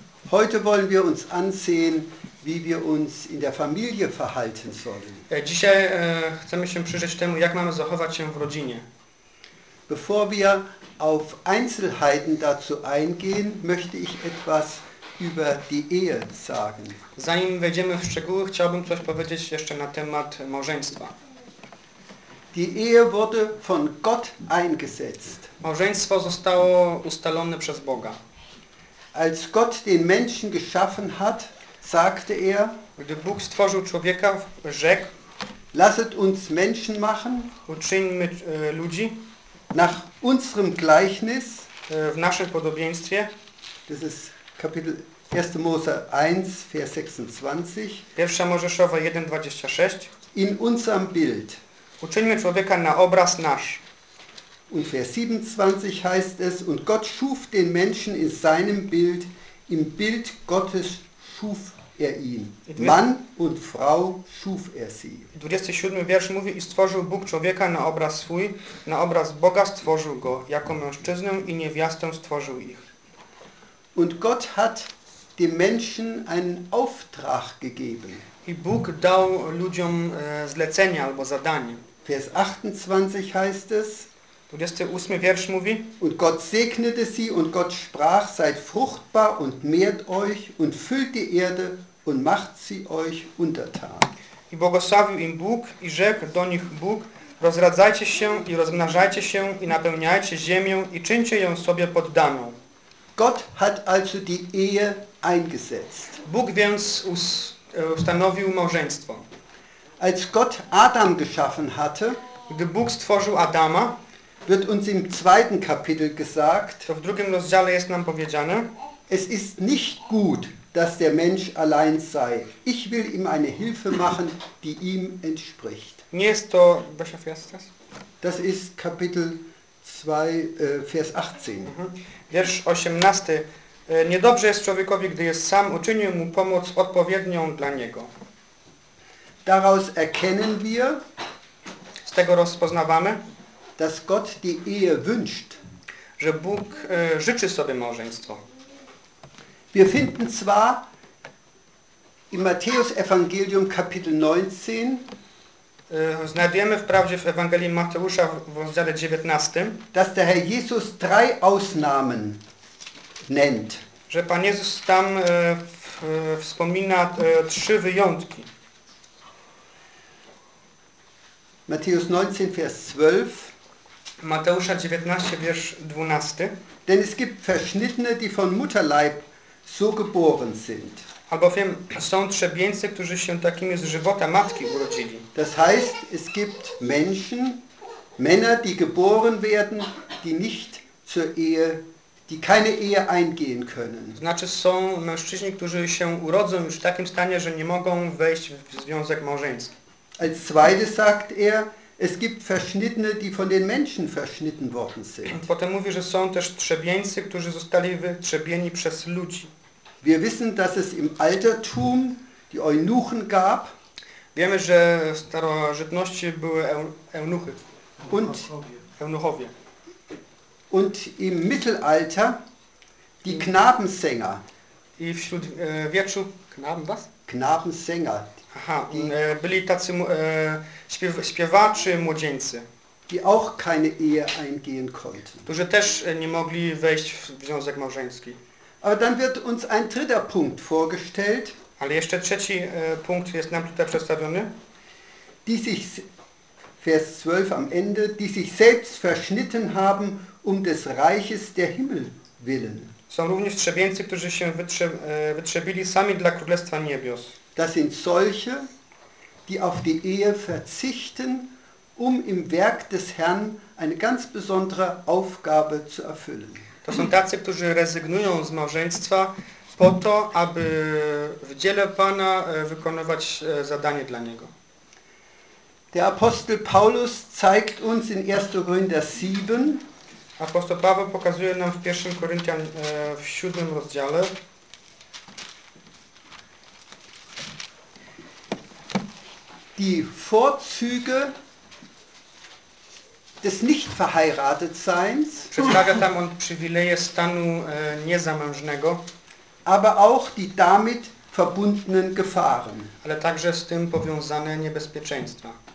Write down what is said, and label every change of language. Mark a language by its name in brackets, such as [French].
[German] Heute wollen wir uns ansehen, wie wir uns in der Familie verhalten sollen. [Polish] Dzisiaj chcemy się przyjrzeć temu, jak mamy zachować się w rodzinie. [German] Bevor wir auf Einzelheiten dazu eingehen, möchte ich etwas über die Ehe sagen. [Polish] Zanim wejdziemy w szczegóły, chciałbym coś powiedzieć jeszcze na temat małżeństwa. [German] Die Ehe wurde von Gott eingesetzt. [Polish] Małżeństwo zostało ustalone przez Boga. [German] Als Gott den Menschen geschaffen hat, sagte er, [Polish] gdy Bóg stworzył człowieka, rzekł: [German] Lasset uns Menschen machen, [Polish] uczyńmy ludzi [German] nach unserem Gleichnis, [Polish] w naszym podobieństwie. [German] Das ist Kapitel 1. Mose 1, Vers 26. [Polish] 1. Mojżeszowa 1, 26. [German] In unserem Bild. [Polish] Uczyńmy człowieka na obraz nasz. [German] Und Vers 27 heißt es, und Gott schuf den Menschen in seinem Bild, im Bild Gottes schuf er ihn. Mann und Frau schuf er sie. [Polish] 27. Wiersz mówi, i stworzył Bóg człowieka na obraz swój, na obraz Boga stworzył go, jako mężczyznę i niewiastę stworzył ich. [German] Und Gott hat dem Menschen einen Auftrag gegeben. [Polish] I Bóg dał ludziom zlecenie albo zadanie. [German] Vers 28 heißt es. [Polish] 28. Wiersz mówi. [German] Und Gott segnete sie und Gott sprach, seid fruchtbar und mehrt euch und füllt die Erde und macht sie euch untertan. [Polish] I błogosławił im Bóg i rzekł do nich Bóg, rozradzajcie się i rozmnażajcie się i napełniajcie ziemię i czyńcie ją sobie poddaną. [German] Gott hat also die Ehe eingesetzt. [Polish] Bóg więc ustanowił małżeństwo. [German] Als Gott Adam geschaffen hatte, [Polish] gdy Bóg stworzył Adama, [German] wird uns im zweiten Kapitel gesagt, [Polish] to w drugim rozdziale jest nam powiedziane, [German] es ist nicht gut, dass der Mensch allein sei. Ich will ihm eine Hilfe machen, die ihm entspricht. [Polish] Nie jest to, [German] welcher Vers ist das? Das ist Kapitel 2, Vers 18. [Polish] Wiersz 18. Niedobrze jest człowiekowi, gdy jest sam, uczynił mu pomoc odpowiednią dla niego. [German] Daraus erkennen wir, [Polish] Z tego rozpoznawamy, [German] dass Gott die Ehe wünscht. [Polish] Że Bóg życzy sobie małżeństwo. [German] Wir finden zwar im Matthäus-Evangelium Kapitel 19, [Polish] znajdujemy wprawdzie w Ewangelii Mateusza w rozdziale 19, [German] dass der Herr Jesus drei Ausnahmen nennt. [Polish] Że Pan Jezus tam wspomina trzy wyjątki. [German] Matthäus 19, Vers 12. [Polish] Mateusza 19, Vers 12. [German] Denn es gibt Verschnittene, die von Mutterleib so geboren sind. [Polish] Albowiem są trzebieńcy, którzy się takimi z żywota matki urodzili. [German] Das heißt, es gibt Menschen, Männer, die geboren werden, die nicht zur Ehe, die keine Ehe eingehen können. [Polish] Znaczy są mężczyźni, którzy się urodzą już w takim stanie, że nie mogą wejść w związek małżeński. [German] Als zweites sagt er, es gibt Verschnittene, die von den Menschen verschnitten worden sind. [Polish] Potem mówi, że są też trzebieńcy, którzy zostali wytrzebieni przez ludzi. [German] Wir wissen, dass es im Altertum die Eunuchen gab. [Polish] Wiemy, że w starożytności były eunuchy. Eunuchowie. [German] Und im Mittelalter die Knabensänger. [Polish] I wśród wieczu [German] Knaben was? Knabensänger. [Polish] Aha, byli tacy śpiewacze młodzieńcy, [German] die auch keine Ehe eingehen konnten. [Polish] Którzy też nie mogli wejść w związek małżeński. [German] Aber dann wird uns ein dritter Punkt vorgestellt. [Polish] Ale jeszcze trzeci punkt jest nam tutaj przedstawiony. [German] Die sich, Vers 12 am Ende, die sich selbst verschnitten haben um des Reiches der Himmel willen. [Polish] Są również trzebieńcy, którzy się wytrzebili sami dla Królestwa Niebios. [German] Das sind solche, die auf die Ehe verzichten, um im Werk des Herrn eine ganz besondere Aufgabe zu erfüllen. [Polish] To są tacy, którzy rezygnują z małżeństwa po to, aby w dziele Pana wykonywać zadanie dla Niego. [German] Der Apostel Paulus zeigt uns in 1. Korinther 7. [Polish] Apostoł Paweł pokazuje nam w 1. Koryntian w 7. rozdziale. [German] Die Vorzüge des Nichtverheiratetseins. [Polish] Przedstawia tam on przywileje stanu niezamężnego. [German] Aber auch die damit verbundenen Gefahren. [Polish] Ale także z tym powiązane niebezpieczeństwa.